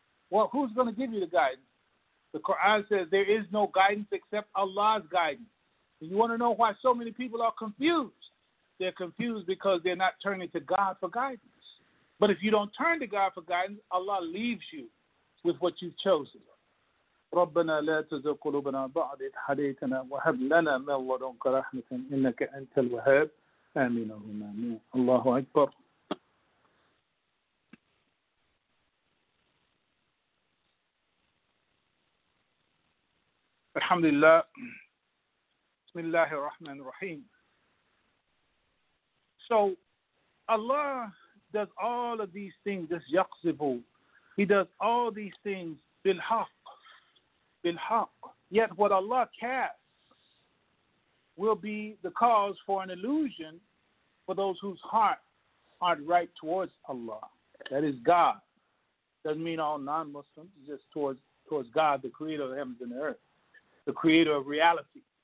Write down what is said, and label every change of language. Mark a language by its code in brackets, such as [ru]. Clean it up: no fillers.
[en] Well, who's going to give you the guidance? The Quran says there is no guidance except Allah's guidance. And you want to know why so many people are confused? They're confused because they're not turning to God for guidance. But if you don't turn to God for guidance, Allah leaves you with what you've chosen. [ar] ربنا لا تزغ قلوبنا بعد إذ هديتنا وهب لنا من لدنك رحمة إنك أنت الوهاب آمين اللهم آمين الله أكبر الحمد لله بسم الله الرحمن الرحيم [en] So Allah does all of these things this يقصب He does all these things [ar] بالحق بالحق. [en] Yet what Allah casts will be the cause for an illusion for those whose heart aren't right towards Allah. That is God. Doesn't mean all non-Muslims, just towards God, the creator of the heavens and the earth, the creator of reality.